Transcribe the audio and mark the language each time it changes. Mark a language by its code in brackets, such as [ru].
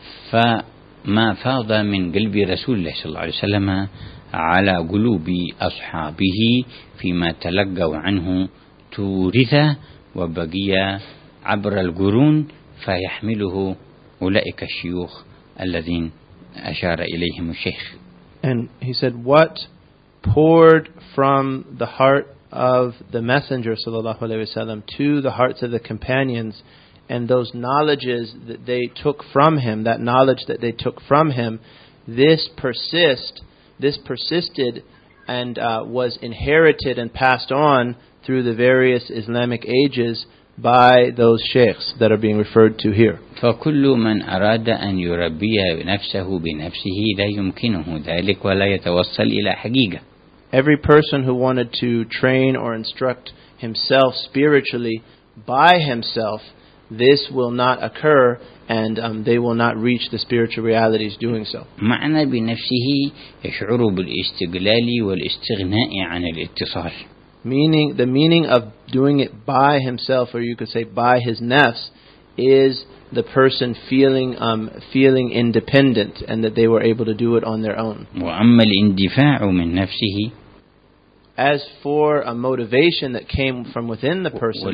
[ar] فما فاض من قلب رسول الله صلى الله عليه وسلم على قلوب أصحابه فيما تلقوا عنه تورث وبقي عبر القرون فيحمله أولئك الشيوخ الذين أشار إليهم الشيخ. [en] And he said, what poured from the heart of the messenger sallallahu alaihi wasallam to the hearts of the companions and those knowledges that they took from him, that knowledge that they took from him, this persisted and was inherited and passed on through the various Islamic ages by those sheikhs that are being referred to here. [ar] فَكُلُّ مَنْ أَرَادَ أَنْ يُرَبِّيَ نَفْسَهُ بِنَفْسِهِ لَا يُمْكِنُهُ ذَلِكَ وَلَا يَتَوَصَّلْ إِلَى حَقِيقَةٍ. [en] Every person who wanted to train or instruct himself spiritually by himself, this will not occur and they will not reach the spiritual realities doing so. [ar] معنى بنفسه يشعر بالاستقلال والاستغناء عن الاتصال. [en] Meaning, the meaning of doing it by himself, or you could say by his nafs, is the person feeling independent and that they were able to do it on their own. [ar] وَأَمَّا الْإِنْدِفَاعُ مِنْ نَفْسِهِ. [en] As for a motivation that came from within the person